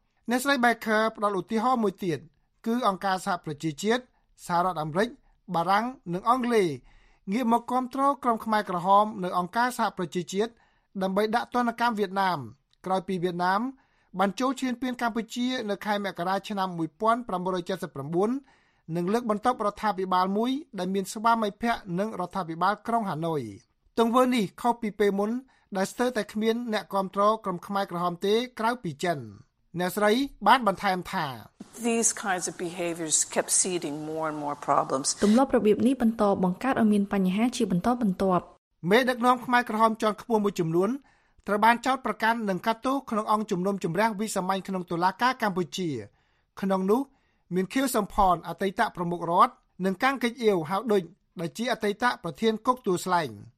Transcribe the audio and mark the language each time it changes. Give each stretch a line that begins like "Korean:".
Khmer: អ្នកស្រីបេខឺផ្ដល់ឧទាហរណ៍មួយទៀតគឺអង្គការសហប្រជាជាតិសហរដ្ឋអាមេរិកបារាំងនិងអង់គ្លេសងាកមកគ្រប់គ្រងក្រុមខ្មែរក្រហមនៅអង្គការសហប្រជាជាតិដើម្បីដាក់ទណ្ឌកម្មវៀតណាមក្រោយពីវៀតណាមបានចូលឈ្លានពានកម្ពុជានៅខែមករាឆ្នាំ 1979និងលើកបន្ទប់រដ្ឋាភិបាលមួយដែលមានស្វាមីភ័ក្ដិនិងរដ្ឋាភិបាលក្រុងហាណូយទង្វើនេះខុសពីពេលមុនដែលស្ទើរតែគ្មានអ្នកគ្រប់គ្រងក្រុមខ្មែរក្រហមទេក្រៅពីចិនអ្នកស្រីបានបន្ថែមថា
English: These kinds of behaviors kept seeding more and more problems.
Khmer: ទម្លាប់របៀបនេះបន្តបង្កើតឲ្យមានបញ្ហាជាបន្តបន្ទាប់មេដឹកនាំខ្មែរក្រហមជាន់ខ្ពស់មួយចំនួនត្រូវបានចោទប្រកាន់នឹងកាត់ទោសក្នុងអង្គជំនុំជម្រះវិសាមញ្ញក្នុងតុលាការកម្ពុជាក្នុងនោះមានខៀវសំផនអតីតប្រមុខរដ្ឋនិងកាំងកិចអ៊ាវហៅដូចដែលជាអតីតប្រធានគុកទួលស្លែង